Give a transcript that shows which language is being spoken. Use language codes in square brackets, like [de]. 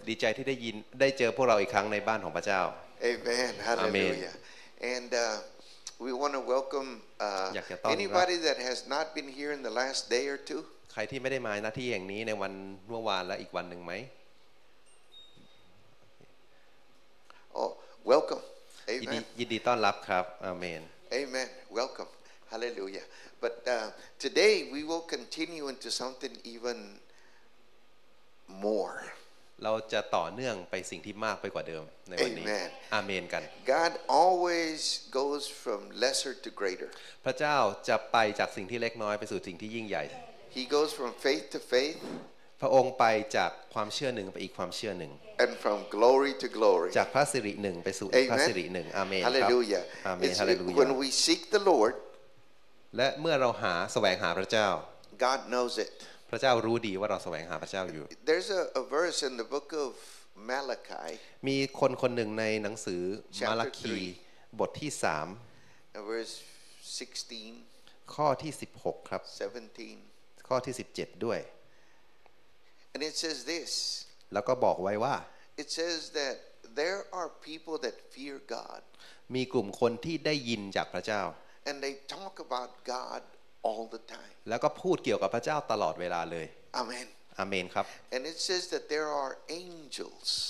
[th] ดีใจที่ได้ยินได้เจอพวกเราอีกครั้งในบ้านของพระเจ้า [en] Amen. Hallelujah. AndWe want to welcome anybody that has not been here in the last day or two. [th] ใครที่ไม่ได้มาณที่แห่งนี้ในวันเมื่อวานและอีกวันหนึ่งไหม [en] Oh, welcome. Amen. [th] ยินดีต้อนรับครับ Amen. [en] Amen. Welcome. Hallelujah. But today we will continue into something even more. [th] เราจะต่อเนื่องไปสิ่งที่มากไปกว่าเดิมในวันนี้ อาเมนกัน [en] God always goes from lesser to greater [th] พระเจ้าจะไปจากสิ่งที่เล็กน้อยไปสู่สิ่งที่ยิ่งใหญ่ [en] He goes from faith to faith [th] พระองค์ไปจากความเชื่อหนึ่งไปอีกความเชื่อหนึ่ง [en] And from glory to glory [th] จากพระสิริหนึ่งไปสู่พระสิริหนึ่งอาเมนครับ [en] Hallelujah [th] อาเมน Hallelujah [en] When we seek the Lord [th] และเมื่อเราหาแสวงหาพระเจ้า [en] God knows it [th] พระเจ้ารู้ดีว่าเราแสวงหาพระเจ้าอยู่ [en] There's a verse in the book of Malachi [th] มีคนคนหนึ่งในหนังสือมาลาคีบทที่3 [en] verse 16 [th] ข้อที่16ครับ [en] 17 [th] ข้อที่17ด้วย [en] And it says this [th] แล้วก็บอกไว้ว่า [en] It says that there are people that fear God [th] มีกลุ่มคนที่ได้ยินจากพระเจ้า [en] And they talk about Godall the time [th] แล้วก็พูดเกี่ยวกับพระเจ้าตลอดเวลาเลย [en] Amen [th] Amen ครับ [en] And it says that there are angels